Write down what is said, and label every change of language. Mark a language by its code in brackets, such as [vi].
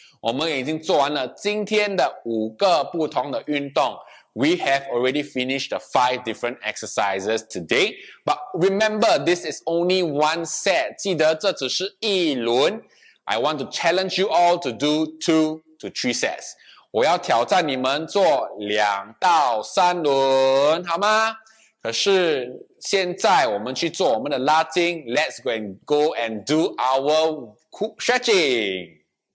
[zh] 我们已经做完了今天的五个不同的运动。 [en] We have already finished the five different exercises today. But remember, this is only one set. [zh] 记得这只是一轮。 [en] I want to challenge you all to do 2 to 3 sets. [zh] 我要挑战你们做2到3轮，好吗？可是现在我们去做我们的拉筋。 [en] Let's go and do our stretching.